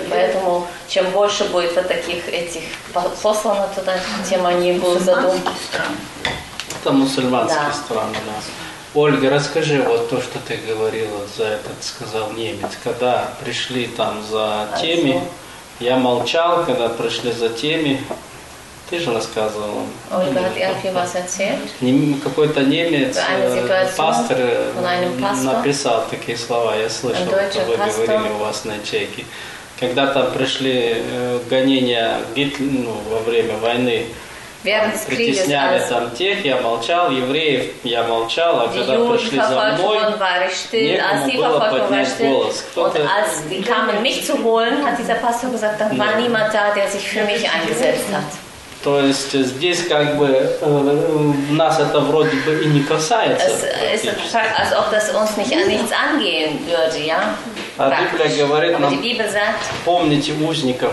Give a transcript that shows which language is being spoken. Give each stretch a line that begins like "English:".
Russian: И поэтому чем больше будет вот таких этих послано туда, тем они будут задумки. Это мусульманские страны, да. Ольга, расскажи вот то, что ты говорила за этот, сказал немец, когда пришли там за теми, я молчал, когда пришли за теми. Ты же рассказывала.
German: Ольга hat irgendwie was erzählt.
Russian: Какой-то немец, пастор, написал такие слова. Я слышал, что вы говорили у вас на ячейке. Когда там пришли гонения Гитлера, ну, во время войны, притесняли там тех, я молчал, евреев, я молчал, а когда пришли за мной, некому было поднять голос. Кто-то...
German: Als die kamen mich zu holen, hat dieser Pastor gesagt, dann war niemand da, der sich für mich eingesetzt hat.
Russian: То есть здесь как бы нас это вроде бы и не касается.
German: Als ob das uns nicht an nichts angehen würde, ja?
Russian: А Библия говорит нам, помните узников